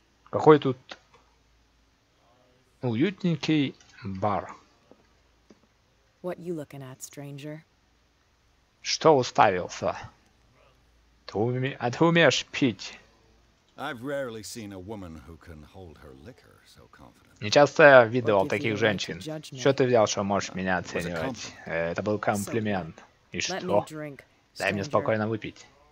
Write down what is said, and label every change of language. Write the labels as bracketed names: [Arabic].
[Russian] Какой тут уютненький бар. [English] What you looking at, stranger? [Russian] Что уставился? Ты умеешь пить? [English] I've rarely seen a woman who can hold her liquor so confident. [Russian] Не часто я видывал таких женщин. Что ты взял, что можешь меня оценивать? Это был комплимент. И что? Дай мне спокойно выпить.